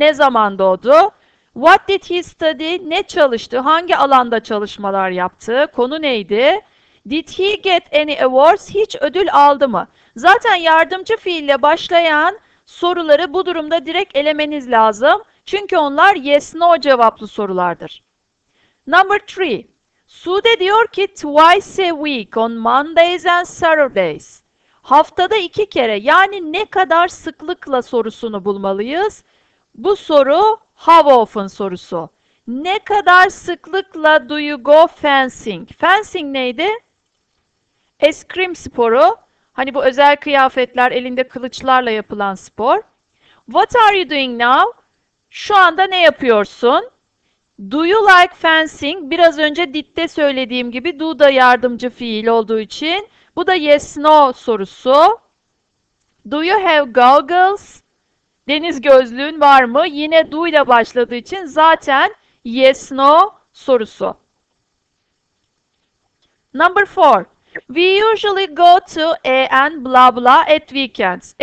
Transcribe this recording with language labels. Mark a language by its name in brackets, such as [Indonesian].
[Turkish] Ne zaman doğdu? [English] What did he study? [Turkish] Ne çalıştı? Hangi alanda çalışmalar yaptı? Konu neydi? [English] Did he get any awards? [Turkish] Hiç ödül aldı mı? Zaten yardımcı fiille başlayan soruları bu durumda direkt elemeniz lazım. Çünkü onlar yes no cevaplı sorulardır. Number 3. Sude diyor ki [English] twice a week on Mondays and Saturdays. [Turkish] Haftada iki kere yani ne kadar sıklıkla sorusunu bulmalıyız? Bu soru how often sorusu. Ne kadar sıklıkla [English] do you go fencing? [Turkish] Fencing neydi? Eskrim sporu. Hani bu özel kıyafetler, elinde kılıçlarla yapılan spor. [English] What are you doing now? [Turkish] Şu anda ne yapıyorsun? [English] Do you like fencing? [Turkish] Biraz önce did'de söylediğim gibi do da yardımcı fiil olduğu için. Bu da yes no sorusu. [English] Do you have goggles? [Turkish] Deniz gözlüğün var mı? Yine do ile başladığı için zaten yes no sorusu. [English] Number 4. We usually go to a and blah blah at weekends.